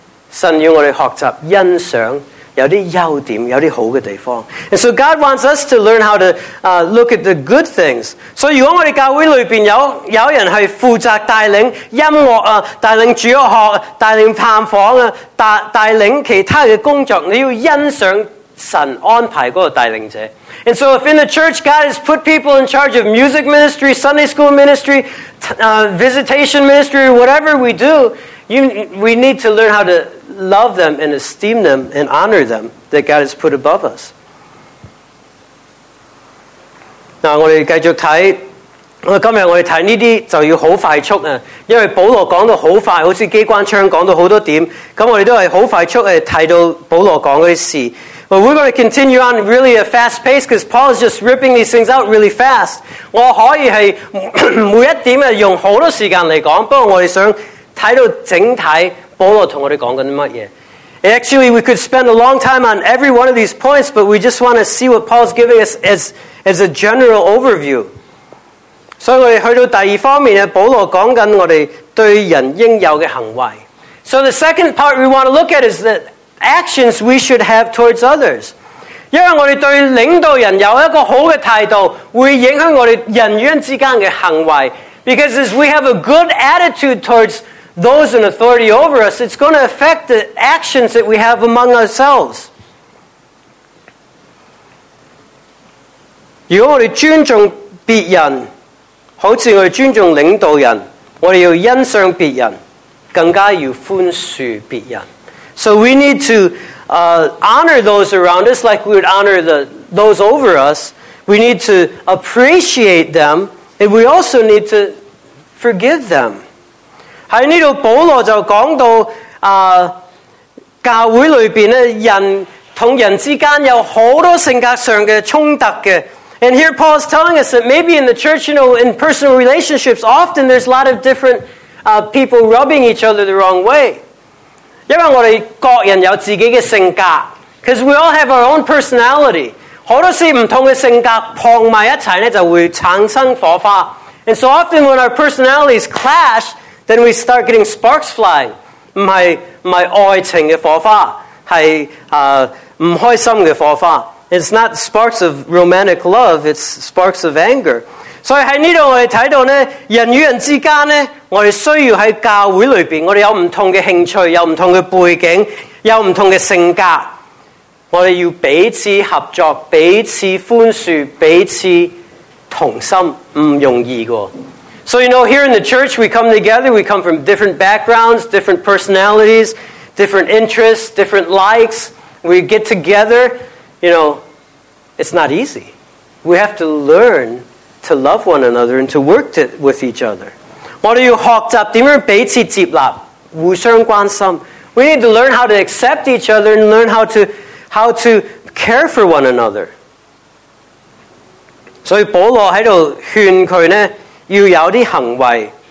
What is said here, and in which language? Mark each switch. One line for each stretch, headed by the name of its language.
Chinese: 神要我们学习欣赏有些优点，有些好的地方。
English: And so God wants us to learn how to look at the good things.
Chinese: 所以如果我们教会里面有人是负责带领音乐、带领主学、带领探访、带领其他的工作，你要欣赏神安排那个带领者。
English: And so if in the church God has put people in charge of music ministry, Sunday school ministry, visitation ministry, whatever we do, we need to learn how to love them and esteem them and honor them that God has put above us.
Chinese: Now, 我们继续看今天我们看这些就要很快速因为保罗讲得很快好像机关枪讲到很多点那我们都是很快速看到保罗讲的事
English: But we're going to continue on really at a fast pace because Paul is just ripping these things out really fast.
Chinese: 我可以是每一点用很多时间来讲不过我们想看到整体保罗跟我们讲的什么
English: Actually, we could spend a long time on every one of these points, but we just want to see what Paul's giving us as a general overview.
Chinese: 所以我们去到第二方面保罗讲的我们对人应有的行为。
English: So the second part we want to look at is the actions we should have towards others.
Chinese: 因为我们对领导人有一个好的态度会影响我们人与人之间的行为。
English: Because as we have a good attitude towards those in authority over us, it's going to affect the actions that we have among ourselves.
Chinese: 如果我们尊重别人，好似我们尊重领导人，我们要欣赏别人，更加要宽恕别人。
English: So we need to honor those around us like we would honor those over us. We need to appreciate them, and we also need to forgive them.
Chinese: 在这里保罗就讲到、教会里面人和人之间有很多性格上的冲突的
English: And here Paul is telling us that maybe in the church, you know, in personal relationships, often there's a lot of different、people rubbing each other the wrong way.
Chinese: 因为我们各人有自己的性格
English: Because we all have our own personality.
Chinese: 很多时候不同的性格碰在一起就会产生火花
English: And so often when our personalities clash,Then we start getting sparks flying.
Chinese: 不是爱情的火花，是不开心的火花。
English: It's not sparks of romantic love, it's sparks of anger.
Chinese: 所以在这里我们看到呢，人与人之间呢，我们需要在教会里面，我们有不同的兴趣，有不同的背景，有不同的性格。我们要彼此合作，彼此宽恕，彼此同心，不容易的。
English: So you know, here in the church, we come together, we come from different backgrounds, different personalities, different interests, different likes. We get together, you know, it's not easy. We have to learn to love one another and to work with each other.
Chinese: 我们要学习怎么彼此接纳，互相关心。
English: We need to learn how to accept each other and learn how to care for one another.
Chinese: 所以保罗在这里劝他们要有些行为。